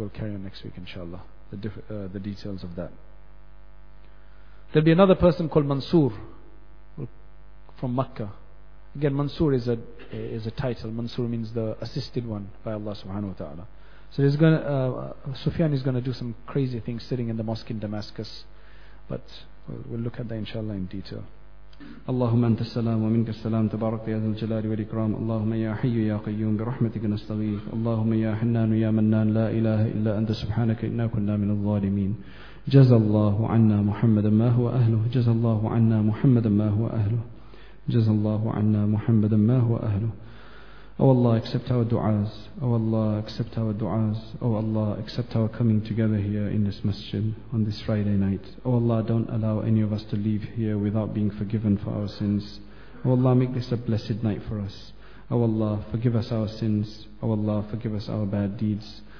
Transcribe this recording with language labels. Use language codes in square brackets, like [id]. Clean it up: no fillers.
[en] We'll carry on next week, inshallah, the details of that. There'll be another person called Mansur from Makkah. Again, Mansur is a title. Mansur means the assisted one by Allah subhanahu wa ta'ala. So Sufyan is going to do some crazy things sitting in the mosque in Damascus. But we'll look at that inshallah in detail. [ar] اللهم أنت السلام ومنك السلام تبارك يا ذا الجلال والإكرام اللهم يا حي يا قيوم برحمتك نستغيث اللهم يا حنان يا منان لا إله إلا أنت سبحانك إنا كنا من الظالمين جزى الله عنا محمدا ما هو أهله جزى الله عنا محمدا ما هو أهله جزى الله عنا محمدا ما هو أهله [en] Oh Allah, accept our du'as. Oh Allah, accept our du'as. Oh Allah, accept our coming together here in this masjid on this Friday night. Oh Allah, don't allow any of us to leave here without being forgiven for our sins. Oh Allah, make this a blessed night for us. Oh Allah, forgive us our sins. Oh Allah, forgive us our bad deeds.